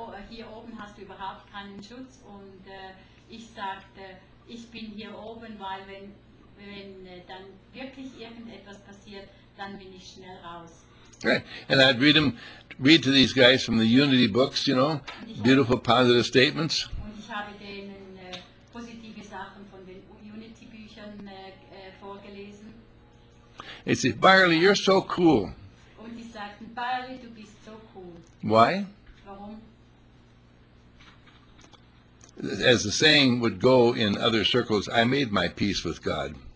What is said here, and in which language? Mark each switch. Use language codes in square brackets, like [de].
[de] Hier oben hast du überhaupt keinen Schutz und ich sagte, ich bin hier oben, weil wenn dann wirklich irgendetwas passiert, dann bin ich schnell raus. [en] Right. And I'd read to these guys from the Unity books, you know, beautiful positive statements. [de] Und ich ich habe denen positive Sachen von den Unity-Büchern vorgelesen. [en] They said, Barley, you're so cool. [de] Und die sagten, Barley, du bist so cool. [en] Why? [de] Warum? [en] As the saying would go in other circles, I made my peace with God.